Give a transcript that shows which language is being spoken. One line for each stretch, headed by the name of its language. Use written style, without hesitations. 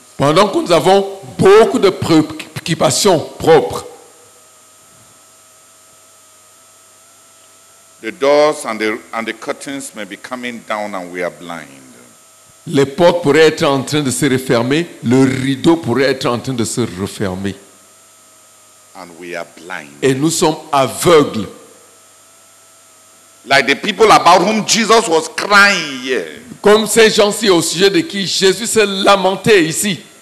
French: pendant que nous avons beaucoup de préoccupations propres,
English: the doors and the curtains may be coming down and we are blind.
French: Les portes pourraient être en train de se refermer, le rideau pourrait être en train de se refermer.
English: And we are blind.
French: Et nous sommes aveugles.
English: Like the people about whom Jesus was crying here.
French: Comme ces gens-ci au sujet de qui Jésus s'est lamenté ici.